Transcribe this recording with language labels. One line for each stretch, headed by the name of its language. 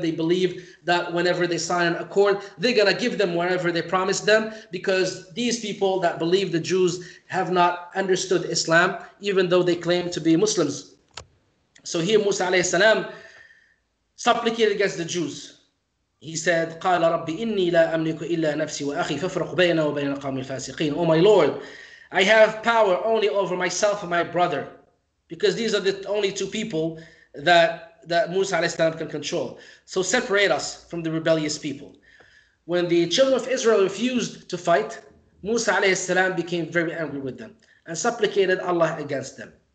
English: They believe that whenever they sign an accord, they're going to give them whatever they promised them, because these people that believe the Jews have not understood Islam, even though they claim to be Muslims. So here Musa alayhi salam supplicated against the Jews. He said,
Arabic: قَالَ رَبِّ إِنِّي لَا أَمْلِكُ إِلَّا نَفْسِي وَأَخِي فَفْرَقْ بَيْنَا وَبَيْنَ الْقَوْمِ الْفَاسِقِينَ.
English: Oh my Lord, I have power only over myself and my brother, because these are the only two people that Musa alayhi salam can control. So separate us from the rebellious people. When the children of Israel refused to fight, Musa alayhi salam became very angry with them and supplicated Allah against them.